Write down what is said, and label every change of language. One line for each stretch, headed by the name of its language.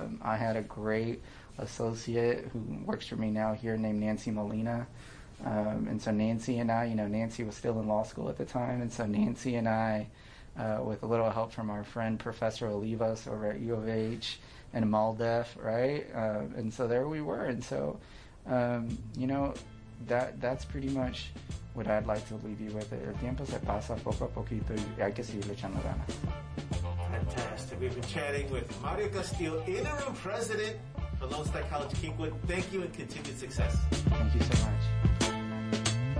English: I had a great associate who works for me now here named Nancy Molina, and so Nancy and I, you know, Nancy was still in law school at the time, and so Nancy and I, with a little help from our friend Professor Olivas over at U of H and MALDEF, right, and so there we were. And so, you know, that's pretty much what I'd like to leave you with.
Spanish: El tiempo se pasa poco a poquito y hay que seguir echando ganas.
English: Fantastic. We've been chatting with Mario Castillo, interim president of Lone Star College Kingwood. Thank you and continued success. Thank you so much.